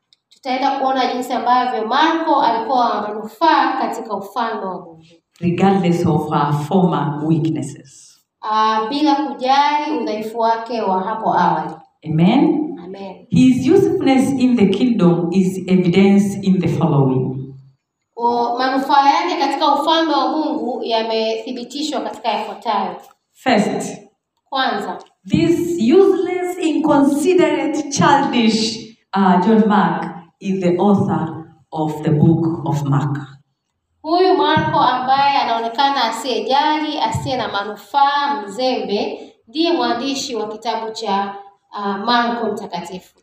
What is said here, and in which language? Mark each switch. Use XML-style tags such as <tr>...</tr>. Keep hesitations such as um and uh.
<sw>Tutaenda kuona jinsi ambavyo Marko alikuwa manufaa katika ufalme wa Mungu.</sw> <en>Regardless of her former weaknesses.</en> <sw>Uh, bila kujali udhaifu wake wa hapo Amen.</sw> <en>Amen. His usefulness in the kingdom is evidenced in the following.</en> <sw>manufaa yake katika ufalme wa Mungu yamethibitishwa katika yafuatayo.</sw> <en>First,</en> <sw>kwanza,</sw> <en>this useless, inconsiderate, childish uh, John Mark is the author of the book of Mark.</en> <sw>Huyu Marko ambaye anaonekana asiyejali, asiye na manufaa, mzembe, ndiye mwandishi wa kitabu cha uh, Marko mtakatifu.</sw>